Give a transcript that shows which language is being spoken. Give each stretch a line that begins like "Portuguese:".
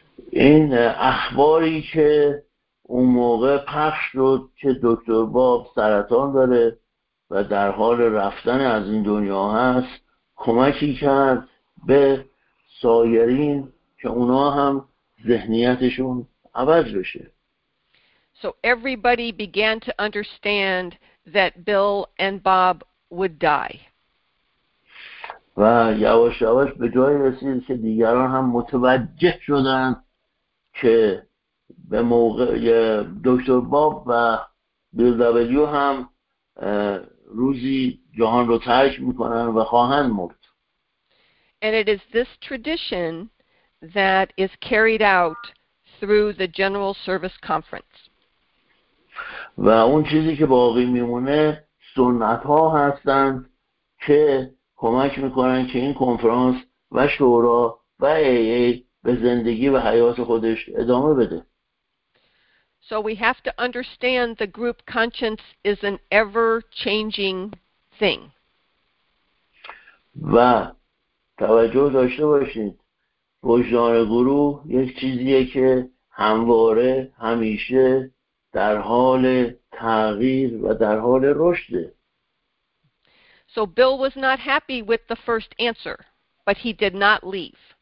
Persian: این اخباری که اون موقع پخش شد که دکتر باب سرطان داره و در حال رفتن از این دنیا هست کمکی کرد به سایرین که اونا هم ذهنیتشون عوض بشه.
English: So everybody began to understand that Bill and Bob would die.
Persian: و یواش یواش به جای رسید که دیگران هم متوجه شدن که به موقع دکتر باب و بیل دبلیو هم روزی جهان رو ترک میکنن و خواهند مرد.
English: And it is this tradition that is carried out through the General Service Conference.
Persian: و اون چیزی که باقی میمونه سنت ها هستند که کمک میکنن که این کنفرانس و شورا و ای به زندگی و حیات خودش ادامه بده.
English: So we have to understand the group conscience is an ever changing thing.
Persian: و توجه داشته باشید وجدان گروه یک چیزیه که همواره همیشه در حال تغییر و در حال رشد.
English: So Bill was not happy with the first answer, but he did not leave.